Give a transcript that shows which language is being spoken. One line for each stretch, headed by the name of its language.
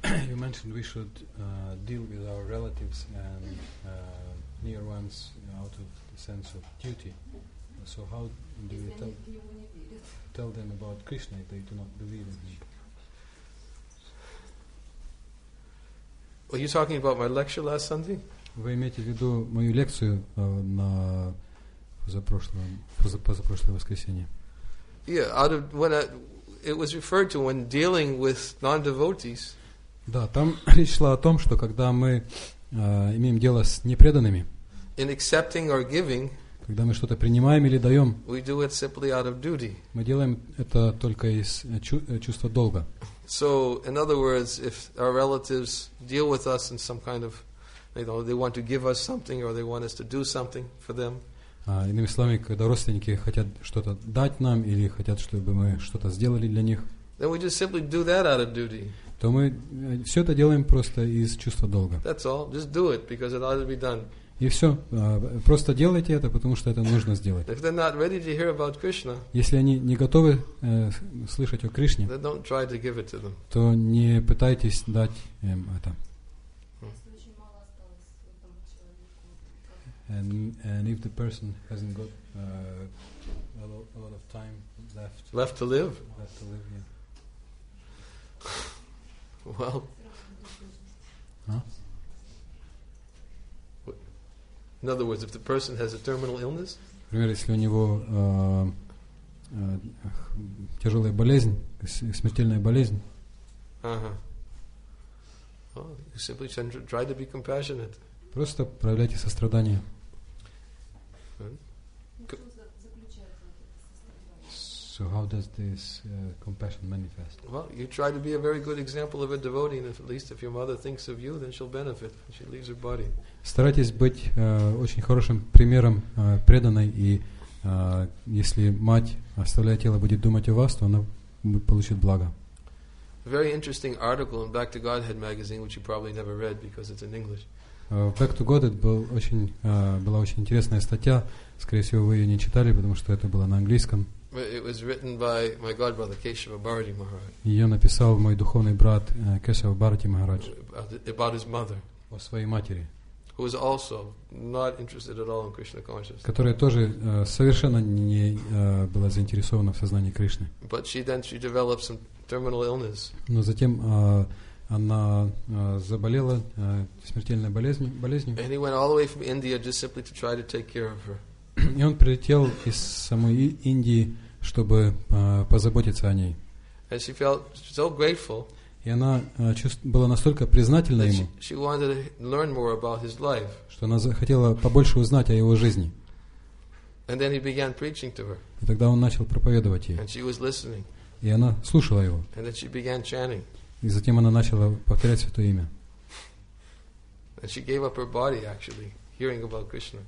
English: You mentioned we should deal with our relatives and near ones out of the sense of duty. So how do you tell them about Krishna if they do not believe in him? Were you talking about my lecture last Sunday?
Russian: Вы имеете в виду мою лекцию на позапрошлое воскресенье?
English: Yeah, it was referred to when dealing with non-devotees.
Russian: Да, там речь шла о том, что когда мы имеем дело с непреданными,
English: in accepting or giving,
Russian: когда мы что-то принимаем или даем,
English: we do it simply out of duty.
Russian: Мы делаем это только из чувства долга.
English: So, in other words, if our relatives deal with us in some kind of, you know, they want to give us something or they want us to do something for them.
Russian: Иными словами, когда родственники хотят что-то дать нам или хотят, чтобы мы что-то сделали для них,
English: then we just simply do that out of duty.
Russian: То мы все это делаем просто из чувства долга.
English: That's all. Just do it because it ought to be done.
Russian: И все. Просто делайте это, потому что это нужно сделать.
English: If they're not ready to hear about Krishna,
Russian: если они не готовы слышать о Кришне,
English: then don't try to give it to them.
Russian: То не пытайтесь дать им это.
English: And if the person hasn't got a lot of time left. Left to live? Left to live, yeah. Well, in other words, if the person has a terminal illness,
Russian: например, если у него тяжелая болезнь, смертельная болезнь,
English: Well, you simply try to be compassionate.
Russian: Просто проявляйте сострадание.
English: So how does this compassion manifest? Well, you try to be a very good example of a devotee, and at least if your mother thinks of you, then she'll benefit. She leaves her body.
Russian: Старайтесь быть очень хорошим примером преданной, и если мать, оставляя тело, будет думать о вас, то она получит благо.
English: A very interesting article in Back to Godhead magazine, which you probably never read because it's in English.
Russian: Back to Godhead была очень интересная статья. Скорее всего, вы ее не читали, потому что это было на английском.
English: It was written by my godbrother Keshava Bharati Maharaj.
Russian: Её написал мой духовный брат Кешава Бхарати Махарадж.
English: About his mother.
Russian: О своей матери.
English: Who was also not interested at all in Krishna consciousness.
Russian: Которая тоже совершенно не была заинтересована в сознании Кришны.
English: But she developed some terminal illness.
Russian: Но затем она заболела смертельной болезнью.
English: And he went all the way from India just simply to try to take care of her.
Russian: И он прилетел из самой Индии, чтобы позаботиться о ней.
English: And she felt so grateful,
Russian: и она была настолько признательна ему,
English: she wanted to learn more about his life.
Russian: Что она захотела побольше узнать о его жизни.
English: And then he began preaching to her.
Russian: И тогда он начал проповедовать ей.
English: And she was listening.
Russian: И она слушала его.
English: And then she began chanting.
Russian: И затем она начала повторять святое имя.
English: And she gave up her body, actually. Hearing about Krishna.